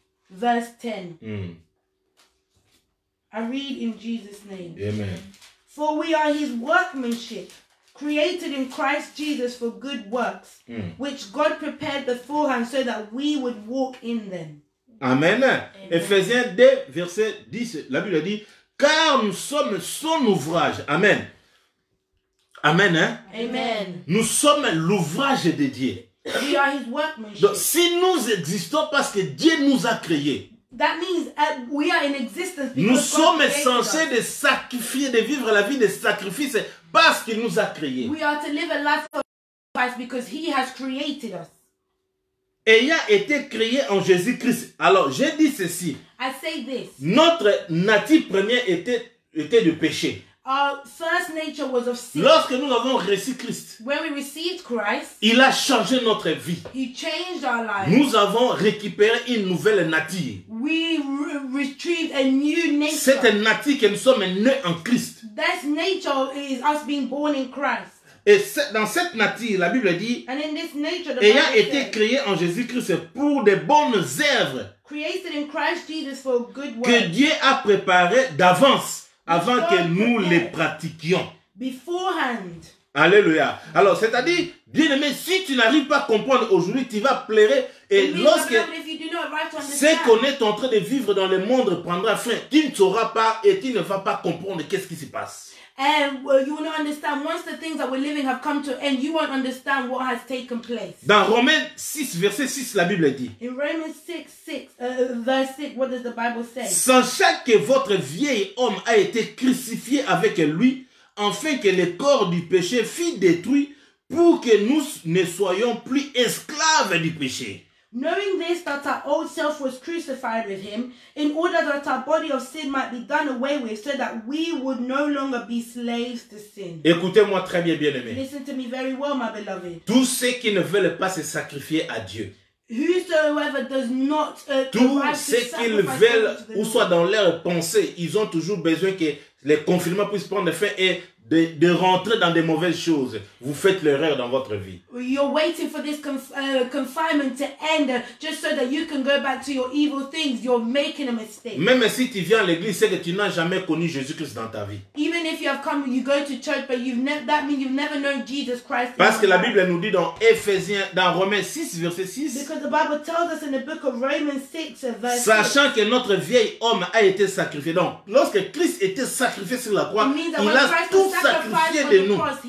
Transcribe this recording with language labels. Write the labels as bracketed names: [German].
[English] verse 10. Mm-hmm. I read in Jesus' name. Amen. For we are his workmanship, created in Christ Jesus for good works, mm. which God prepared beforehand so that we would walk in them. Amen. Amen. [French] Ephésiens 2, verset 10, la Bible dit, car nous sommes son ouvrage. Amen. Amen. Hein? Amen. Nous sommes l'ouvrage de Dieu. [English] We are his workmanship. [French] Donc, si nous existons parce que Dieu nous a créés, [English] That means we are in existence because [French] nous sommes [English] God [French] censés [English] us. [French] De sacrifier, de vivre la vie de sacrifice parce qu'il nous a créés. [English] We are to live a life of sacrifice because he has created us. [French] Ayant été créé en Jésus-Christ. Alors, j'ai dit ceci. [English] I say this. [French] Notre natif premier était du péché. [English] Our first nature was of sin. [French] Lorsque nous avons reçu Christ, [English] When we received Christ, [French] il a changé notre vie. [English] He changed our life. [French] Nous avons récupéré une nouvelle nature. [English] We retrieved a new nature. [French] Cette nature que nous sommes nés en Christ. [English] This nature is us being born in Christ. [French] Et dans cette nature, la Bible dit, [English] And in this nature, the [French] ayant [English] Bible [French] été [English] says, [French] créé en Jésus-Christ pour des bonnes œuvres, [English] created in Christ Jesus for good works, [French] que Dieu a préparé d'avance. Avant que nous les pratiquions. [English] Beforehand. Alléluia. [French] Alors, c'est-à-dire, bien-aimé, si tu n'arrives pas à comprendre aujourd'hui, tu vas pleurer. Et lorsque ce qu'on est en train de vivre dans le monde prendra fin, tu ne sauras pas et tu ne vas pas comprendre qu'est-ce qui se passe. [English] You will not understand. Once the things that we're living have come to end, you won't understand what has taken place. [French] Dans Romains 6, verset 6, la Bible dit. [English] In Romans 6, 6, verse 6, what does the Bible say? [French] Sachez que votre vieil homme a été crucifié avec lui, afin que le corps du péché fût détruit, pour que nous ne soyons plus esclaves du péché. [English] Knowing this, that our old self was crucified with him, in order that our body of sin might be done away with, so that we would no longer be slaves to sin. [French] Écoutez-moi très bien, bien-aimé. [English] Listen to me very well, my beloved. [French] Tous ceux qui ne veulent pas se sacrifier à Dieu. [English] Whosoever does not [French] tous ceux qui veulent, ou soit dans leur pensée, ils ont toujours besoin que les confinements puissent prendre fin et de rentrer dans des mauvaises choses. Vous faites l'erreur dans votre vie. [English] You're waiting for this confinement to end just so that you can go back to your evil things. You're making a mistake. [French] Même si tu viens à l'église, c'est que tu n'as jamais connu Jésus-Christ dans ta vie. [English] Even if you have come, you go to church, but that means you've never known Jesus Christ. [French] Parce que la Bible nous dit dans Romains 6 verset 6. [English] Because the Bible tells us in the book of Romans 6 verse 6. [French] Sachant que notre vieil homme a été sacrifié. Donc, lorsque Christ était sacrifié sur la croix, il a tout sacrifié de nous.